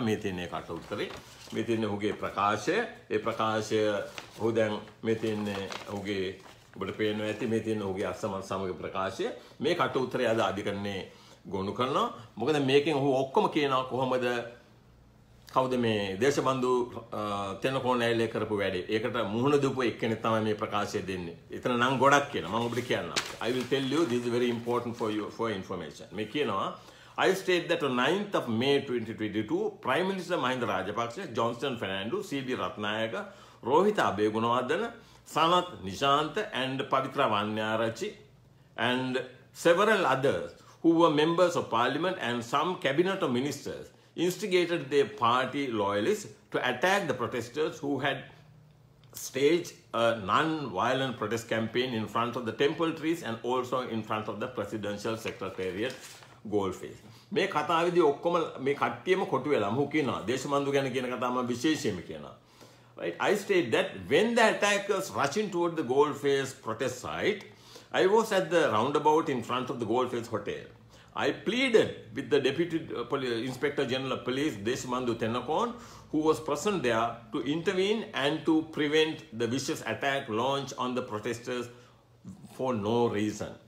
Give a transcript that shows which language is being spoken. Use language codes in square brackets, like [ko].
[si] මේ තියෙන කට උත්තරේ, මේ තියෙන ඔහුගේ ප්‍රකාශය. ඒ ප්‍රකාශය ඔහු දැන් මේ තියෙන ඔහුගේ ඔබට පේනවා ඇති මේ තියෙන ඔහුගේ අස්සමන් සමග ප්‍රකාශය. මේ කට උත්තරය අද අධිකරණේ ගොනු කරනවා. මොකද මේකෙන් ඔහු ඔක්කොම කියනවා කොහොමද කවුද මේ දේශබන්ධු තෙනකෝණෑල්ලේ කරපු වැඩේ. ඒකට මුහුණ දීපු එක්කෙනෙක් තමයි මේ ප්‍රකාශය දෙන්නේ. එතන නම් ගොඩක් කියනවා. මම ඔබට කියන්නම්. [en] I will tell you this is very important for you for information. [si] මේ කියනවා [en] I state that on 9th of May 2022 Prime Minister Mahinda Rajapaksha, Johnston Fernando, CB Ratnayaka, Rohita Abeygunawardana, Sanath Nishantha and Pavithra Vanyarachchi and several others who were members of parliament and some cabinet of ministers instigated their party loyalists to attack the protesters who had staged a non-violent protest campaign in front of the temple trees and also in front of the presidential secretariat goldface. [si] මේ කතාවේදී ඔක්කොම මේ කට්ටියම කොටු වෙලා මහු කියනවා දේශබන්ධු ගැන කියන කතාවම විශේෂයෙන්ම කියනවා. [en] Right, I state that when the attackers rushing toward the goldface protest site, I was at the roundabout in front of the goldface hotel. I pleaded with the Deputy Inspector General of Police Deshbandhu Tennakon, who was present there, to intervene and to prevent the vicious attack launched on the protesters for no reason.